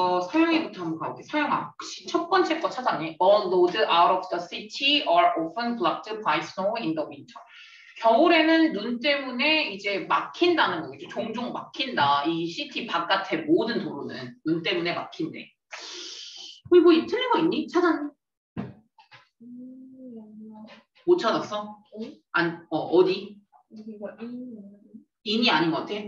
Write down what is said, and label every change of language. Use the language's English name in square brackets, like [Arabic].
[Korean] 서영이부터 한번 가볼게요. 서영아, 혹시 첫 번째 거 찾았니? [English] All roads out of the city are often blocked by snow in the winter. [Korean] 겨울에는 눈 때문에 이제 막힌다는 거겠죠. 종종 막힌다. 이 시티 바깥의 모든 도로는 눈 때문에 막힌대. 그리고 이 틀린 거 있니? 찾았니? 못 찾았어? 안, 어디? 인이 아닌 것 같아.